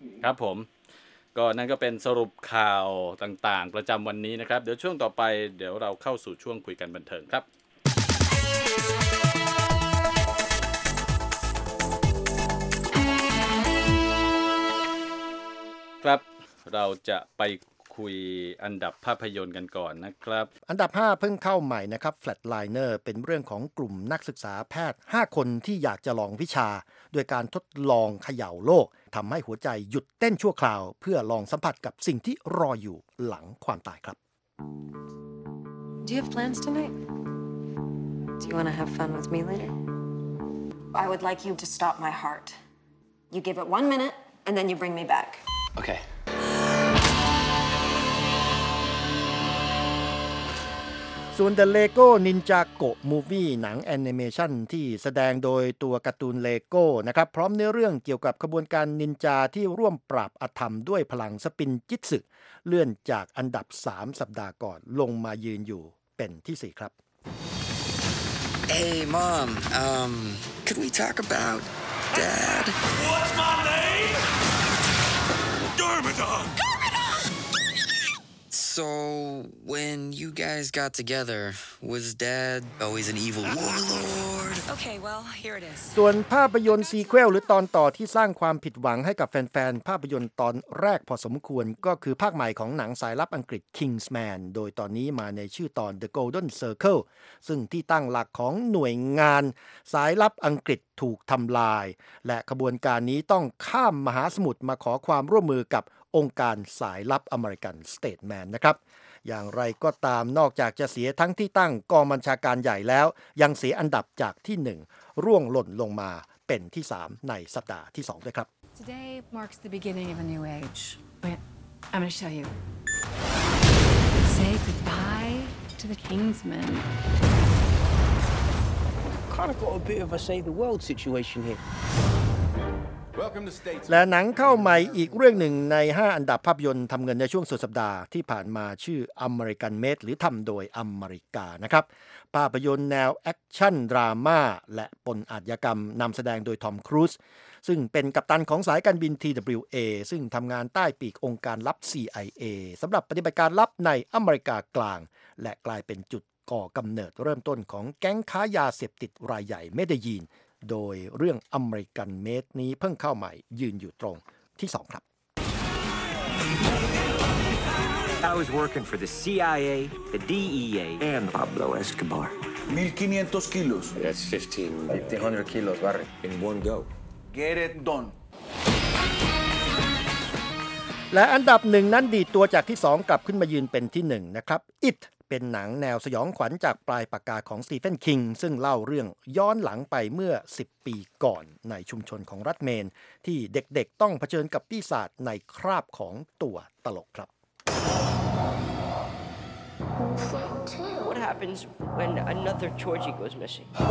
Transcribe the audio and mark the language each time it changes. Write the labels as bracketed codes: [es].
[th] ครับผมก็นั่นก็เป็นสรุปข่าวต่างๆประจำวันนี้นะครับเดี๋ยวช่วงต่อไปเดี๋ยวเราเข้าสู่ช่วงคุยกันบันเทิงครับครับเราจะไปคุยอันดับภาพยนตร์กันก่อนนะครับ อันดับ5เพิ่งเข้าใหม่นะครับ Flatliner เป็นเรื่องของกลุ่มนักศึกษาแพทย์5คนที่อยากจะลองวิชาด้วยการทดลองเขย่าโลกทำให้หัวใจหยุดเต้นชั่วคราวเพื่อลองสัมผัสกับสิ่งที่รออยู่หลังความตายครับ [en] Do you have plans tonight? Do you want to have fun with me later? I would like you to stop my heart. You give it 1 minute and then you bring me back. Okay. [th] ส่วน The Lego Ninjago Movie หนังแอนิเมชันที่แสดงโดยตัวการ์ตูน Lego นะครับพร้อมเนื้อเรื่องเกี่ยวกับขบวนการนินจาที่ร่วมปราบอธรรมด้วยพลังสปินจิตสึเลื่อนจากอันดับ3สัปดาห์ก่อนลงมายืนอยู่เป ป็นที่4ครับ [en] Hey mom could we talk about dad What's my name Garmadon So when you guys got together was dad always an evil warlord Okay well here it is [th] ส่วนภาพยนตร์ซีเควลหรือตอนต่อที่สร้างความผิดหวังให้กับแฟนๆภาพยนตร์ตอนแรกพอสมควรก็คือภาคใหม่ของหนังสายลับอังกฤษ Kingsman โดยตอนนี้มาในชื่อตอน The Golden Circle ซึ่งที่ตั้งหลักของหน่วยงานสายลับอังกฤษถูกทำลายและขบวนการนี้ต้องข้ามมหาสมุทรมาขอความร่วมมือกับองค์การสายลับอเมริกันสเตทแมนนะครับ อย่างไรก็ตามนอกจากจะเสียทั้งที่ตั้งกองบัญชาการใหญ่แล้วยังเสียอันดับจากที่1ร่วงหล่นลงมาเป็นที่3ในสัปดาห์ที่2ด้วยครับ [en] Today marks the beginning of a new age but I'm going to show you Say goodbye to the Kingsman Kind of got a bit of a save the world situation here [th] และหนังเข้าใหม่อีกเรื่องหนึ่งใน5อันดับภาพยนตร์ทำเงินในช่วงสุดสัปดาห์ที่ผ่านมาชื่อ American Made หรือทำโดยอเมริกานะครับภาพยนตร์แนวแอคชั่นดราม่าและปนอาชญากรรมนำแสดงโดยทอมครูซ ซึ่งเป็นกัปตันของสายการบิน TWA ซึ่งทำงานใต้ปีกองค์การลับ CIA สำหรับปฏิบัติการลับในอเมริกากลางและกลายเป็นจุดก่อกำเนิดเริ่มต้นของแก๊งค้ายาเสพติดรายใหญ่เมดยีนโดยเรื่อง American Made นี้เพิ่งเข้าใหม่ยืนอยู่ตรงที่2ครับ [en] I was working for the CIA, the DEA and Pablo Escobar. 1500 kilos. That's 15. 1500 kilos, barre. In one go. Get it done. [th] และอันดับ1นั้นดีตัวจากที่2กลับขึ้นมายืนเป็นที่1นะครับ Itเป็นหนังแนวสยองขวัญจากปลายปากกาของสตีเฟนคิงซึ่งเล่าเรื่องย้อนหลังไปเมื่อ10ปีก่อนในชุมชนของรัฐเมนที่เด็กๆต้องเผชิญกับปีศาจในคราบของตัวตลกครับ [en] What happens when another Georgie goes missing?